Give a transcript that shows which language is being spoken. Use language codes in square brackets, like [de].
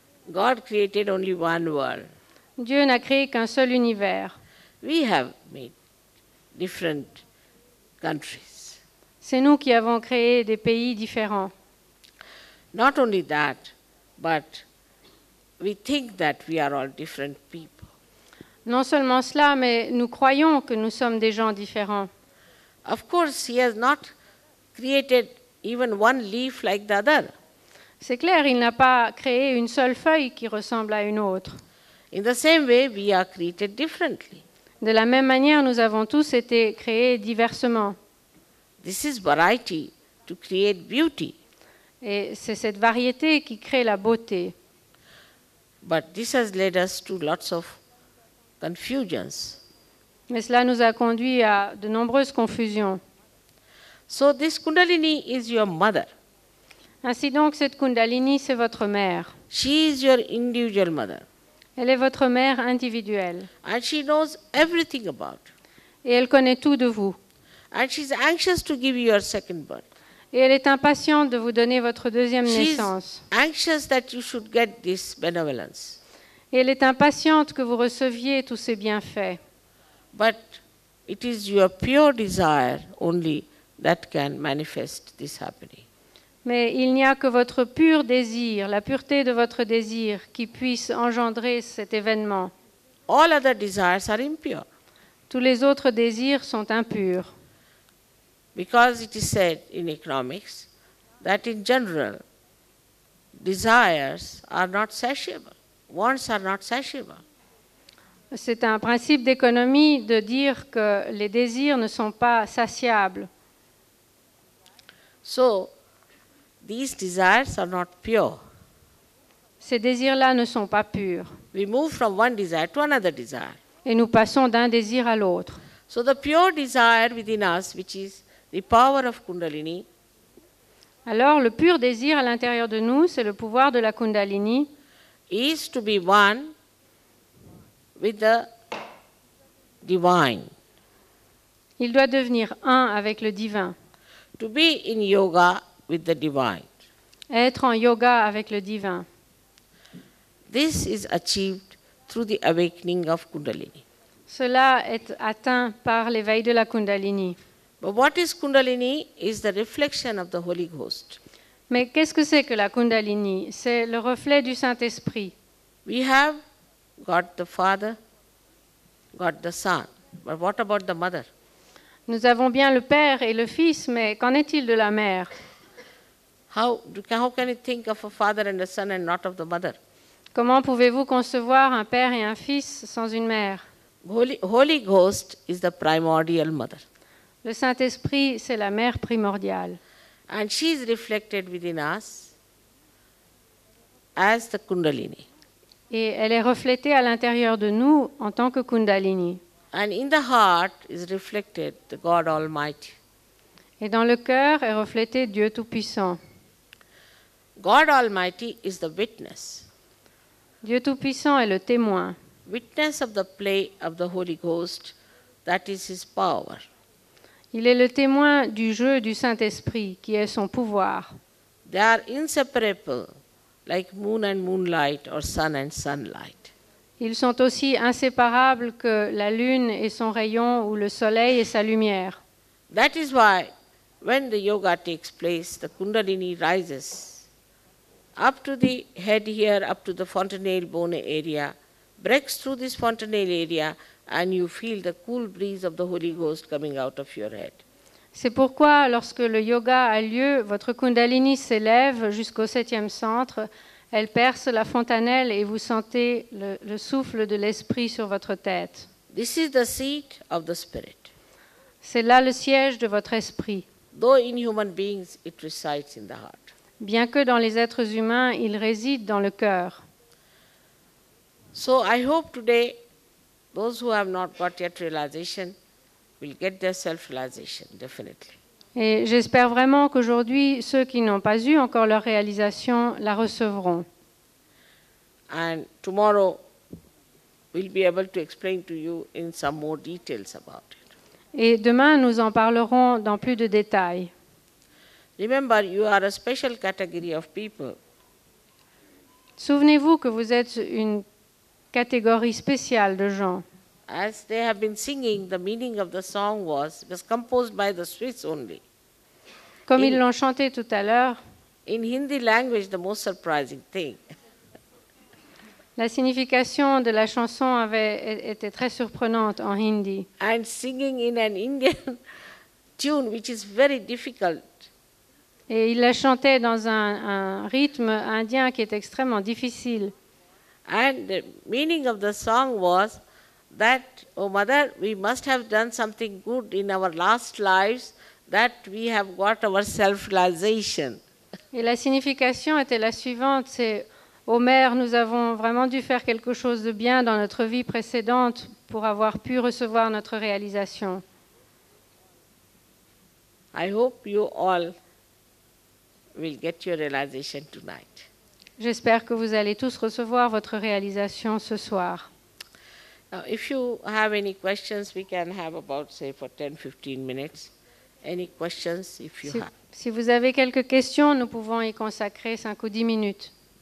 [en] God created only one world. [fr] Dieu n'a créé qu'un seul univers. [en] We have made different countries. [fr] C'est nous qui avons créé des pays différents. [en] Not only that, but we think that we are all different people. [fr] Non seulement cela, mais nous croyons que nous sommes des gens différents. [en] Of course, he has not created even one leaf like the other. [fr] C'est clair, il n'a pas créé une seule feuille qui ressemble à une autre. [en] In the same way, we are created differently. [fr] De la même manière, nous avons tous été créés diversement. [en] This is variety to create beauty. [fr] Et c'est cette variété qui crée la beauté. [en] But this has led us to lots of confusions. [fr] Mais cela nous a conduit à de nombreuses confusions. [en] So this Kundalini is your mother. [fr] Ainsi donc, cette Kundalini, c'est votre mère. [en] She is your individual mother. [fr] Elle est votre mère individuelle. [en] And she knows everything about. [fr] Et elle connaît tout de vous. [en] And she's anxious to give you your second birth. [fr] Et elle est impatiente de vous donner votre deuxième naissance. [en] She's anxious that you should get this benevolence. [fr] Et elle est impatiente que vous receviez tous ces bienfaits. [en] But it is your pure desire only that can manifest this happening. [fr] Mais il n'y a que votre pur désir, la pureté de votre désir, qui puisse engendrer cet événement. [en] All other desires are impure. [fr] Tous les autres désirs sont impurs. [en] Because it is said in economics that in general, desires are not satiable. Wants are not satiable. [fr] C'est un principe d'économie de dire que les désirs ne sont pas satiables. [en] So, these desires are not pure. [fr] Ces désirs-là ne sont pas purs. [en] We move from one desire to another desire. [fr] Et nous passons d'un désir à l'autre. [en] So the pure desire within us, which is the power of Kundalini. [fr] Alors, le pur désir à l'intérieur de nous, c'est le pouvoir de la Kundalini. [en] Is to be one with the divine. [fr] Il doit devenir un avec le divin. [en] To be in yoga with the divine. [fr] Être en yoga avec le divin. [en] This is achieved through the awakening of Kundalini. [fr] Cela est atteint par l'éveil de la Kundalini. [en] But what is Kundalini? Is the reflection of the Holy Ghost. [fr] Mais qu'est-ce que c'est que la Kundalini? C'est le reflet du Saint-Esprit. [en] We have got the Father, got the Son. But what about the Mother? [fr] Nous avons bien le Père et le Fils, mais qu'en est-il de la Mère? [en] How can you think of a Father and a Son and not of the Mother? [fr] Comment pouvez-vous concevoir un Père et un Fils sans une Mère? [en] Holy Ghost is the primordial Mother. [fr] Le Saint-Esprit, c'est la Mère primordiale. [en] And she is reflected within us as the Kundalini. [fr] Et elle est reflétée à l'intérieur de nous en tant que Kundalini. [en] And in the heart is reflected the God Almighty. [fr] Et dans le cœur est reflété Dieu Tout-Puissant. [en] God Almighty is the witness. [fr] Dieu Tout-Puissant est le témoin. [en] Witness of the play of the Holy Ghost, that is his power. [fr] Il est le témoin du jeu du Saint-Esprit, qui est son pouvoir. [en] They are inseparable, like moon and moonlight, or sun and sunlight. [fr] Ils sont aussi inséparables que la lune et son rayon, ou le soleil et sa lumière. [en] That is why, when the yoga takes place, the Kundalini rises up to the head here, up to the fontanel bone area, breaks through this fontanel area, and you feel the cool breeze of the Holy Ghost coming out of your head. [fr] C'est pourquoi, lorsque le yoga a lieu, votre Kundalini s'élève jusqu'au septième centre, elle perce la fontanelle et vous sentez le souffle de l'esprit sur votre tête. [en] This is the seat of the spirit. [fr] C'est là le siège de votre esprit. [en] Though in human beings, it resides in the heart. [fr] Bien que dans les êtres humains, il réside dans le cœur. [en] So I hope today, those who have not got yet realization will get their self-realization, definitely. [fr] Et j'espère vraiment qu'aujourd'hui, ceux qui n'ont pas eu encore leur réalisation la recevront. [en] And tomorrow, we'll be able to explain to you in some more details about it. [fr] Et demain, nous en parlerons dans plus de détails. [en] Remember, you are a special category of people. [fr] Souvenez-vous que vous êtes une catégorie spéciale de gens. [en] As they have been singing, the meaning of the song was composed by the Swiss only. [fr] Comme ils l'ont chanté tout à l'heure. [en] In Hindi language, the most surprising thing. [fr] La signification de la chanson était très surprenante en hindi. [en] And singing in an Indian tune, which is very difficult. [fr] Et il la chantait dans un rythme indien qui est extrêmement difficile. [en] And the meaning of the song was that, oh mother, we must have done something good in our last lives, that we have got our self-realization. [fr] Et la signification était la suivante, c'est, oh mère, nous avons vraiment dû faire quelque chose de bien dans notre vie précédente pour avoir pu recevoir notre réalisation. [en] I hope you all will get your realization tonight. [fr] J'espère que vous allez tous recevoir votre réalisation ce soir. [en] Now, if you have any questions, we can have about, say, for 10-15 minutes. Any questions, if you have. [fr] Si vous avez quelques questions, nous pouvons y consacrer 5 ou 10 minutes.